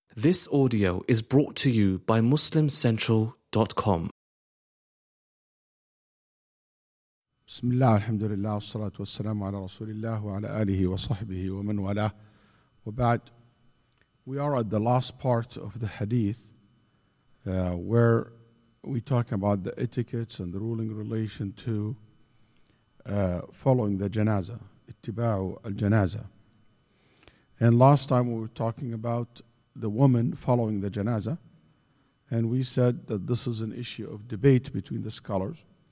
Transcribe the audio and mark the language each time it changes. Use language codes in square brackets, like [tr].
[en] This audio is brought to you by MuslimCentral.com. [ar] بسم الله الحمد لله والصلاة والسلام على رسول الله وعلى آله وصحبه ومن والاه وبعد. [en] We are at the last part of the hadith where we talk about the etiquettes and the ruling relation to following the janazah, [ar] اتباع الجنازه. [en] And last time we were talking about the woman following the janazah, and we said that this is an issue of debate between the scholars.